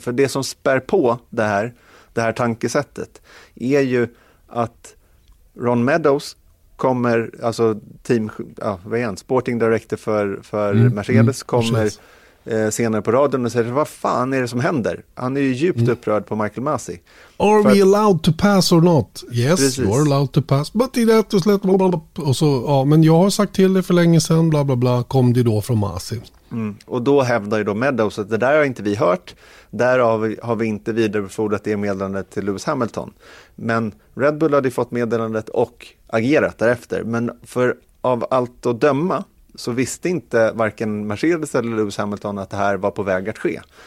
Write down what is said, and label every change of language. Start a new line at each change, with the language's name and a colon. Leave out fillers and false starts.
Swedish: För det som spär på det här tankesättet är ju att Ron Meadows kommer, alltså sporting director för Mercedes kommer senare på radion och säger, vad fan är det som händer? Han är ju djupt upprörd på Michael Masi.
English: Are we allowed to pass or not?
Swedish: Yes, precis.
English: You're allowed to pass. But he had to let blah, blah, blah.
Swedish: Och så, ja, men jag har sagt till det för länge sedan, bla bla bla, kom det då från Masi. Och då hävdar ju då Meadows att det där har inte vi hört. Där har vi inte vidarebefordrat det meddelandet till Lewis Hamilton. Men Red Bull hade ju fått meddelandet och agerat därefter. Men för av allt att döma så visste inte varken Mercedes eller Lewis Hamilton att det här var på väg att ske.